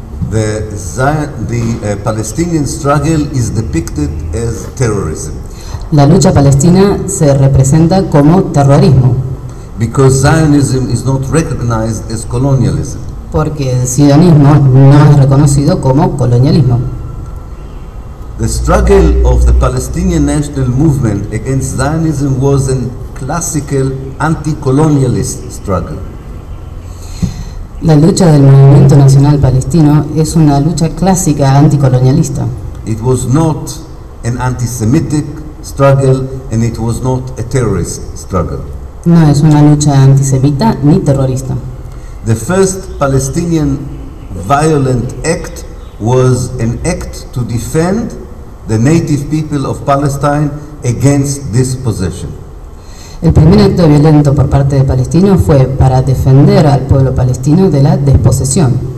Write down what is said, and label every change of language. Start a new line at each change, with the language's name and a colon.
English: The Palestinian struggle is depicted as terrorism.
Spanish: La lucha palestina se representa como terrorismo.
English: Because Zionism is not recognized as colonialism.
Spanish: Porque el sionismo no es reconocido como colonialismo.
English: The struggle of the Palestinian national movement against Zionism was a classical anti-colonialist struggle.
Spanish: La lucha del movimiento nacional palestino es una lucha clásica anticolonialista.
English: It was not an anti-Semitic struggle and it was not a terrorist struggle.
Spanish: No es una lucha antisemita ni terrorista.
English: The first Palestinian violent act was an act to defend the native people of Palestine against this possession.
Spanish: El primer acto violento por parte de palestinos fue para defender al pueblo palestino de la desposesión.